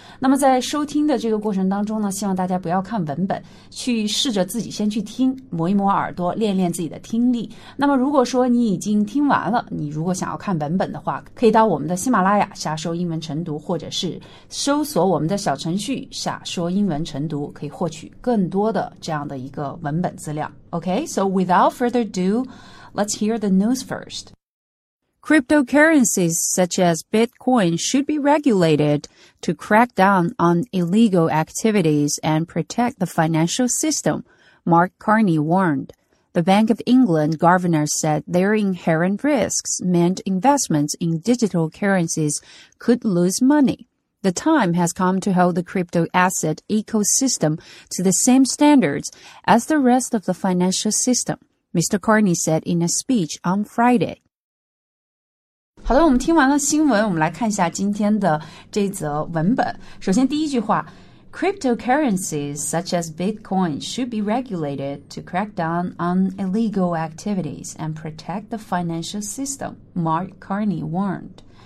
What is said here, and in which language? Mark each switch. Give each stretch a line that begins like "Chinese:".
Chinese: 那么在收听的这个过程当中呢，希望大家不要看文本，去试着自己先去听，磨一磨耳朵，练练自己的听力。那么如果说你已经听完了，你如果想要看文本的话，可以到我们的喜马拉雅下收英文晨读，或者是搜索我们的小程序下说英文晨读，可以获取更多的这样的一个文本资料。
English: OK, so without further ado, let's hear the news firstCryptocurrencies such as Bitcoin should be regulated to crack down on illegal activities and protect the financial system, Mark Carney warned. The Bank of England governor said their inherent risks meant investments in digital currencies could lose money. The time has come to hold the crypto asset ecosystem to the same standards as the rest of the financial system, Mr. Carney said in a speech on Friday.
Chinese: 好的，我们听完了新闻，我们来看一下今天的这则文本。首先第一句话，
English: Cryptocurrencies such as Bitcoin should be regulated to crack down on illegal activities and protect the financial system, Mark Carney warned.